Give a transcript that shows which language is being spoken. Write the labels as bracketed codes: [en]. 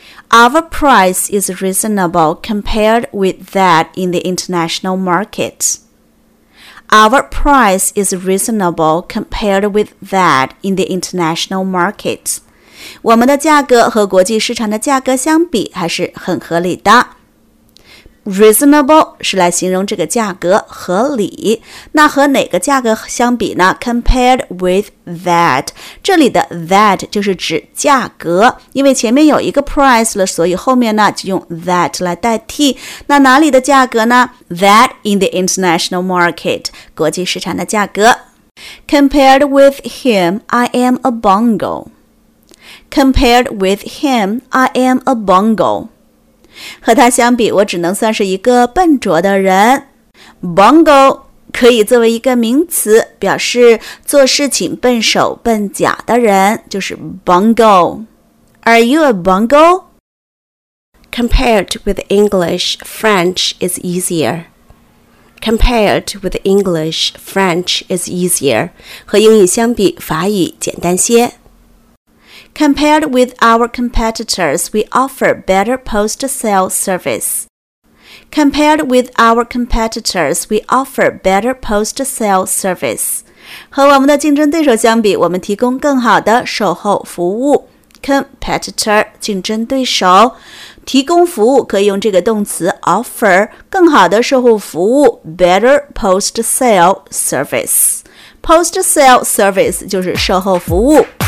[en] Our price is reasonable compared with that in the international market. Our price is reasonable compared with that in the international market. [zh] 我们的价格和国际市场的价格相比还是很合理的。 Reasonable 是来形容这个价格合理，那和哪个价格相比呢？ [en] Compared with that， [zh] 这里的 that 就是指价格，因为前面有一个 price 了，所以后面呢就用 that 来代替。那哪里的价格呢？ [en] That in the international market， [zh] 国际市场的价格。 [en] Compared with him I am a bungle. Compared with him I am a bungle. [zh] 和他相比我只能算是一个笨拙的人。 Bungle 可以作为一个名词表示做事情笨手笨脚的人，就是 Bungle。 [en] Are you a bungle? Compared with English, French is easier. Compared with English, French is easier. [zh] 和英语相比法语简单些。 [en] Compared with our competitors, we offer better post-sale service. Compared with our competitors, we offer better post-sale service. [zh] 和我们的竞争对手相比，我们提供更好的售后服务。 Competitor, 竞争对手，提供服务可以用这个动词 offer, 更好的售后服务 [en] better post-sale service. [zh] Post-sale service 就是售后服务。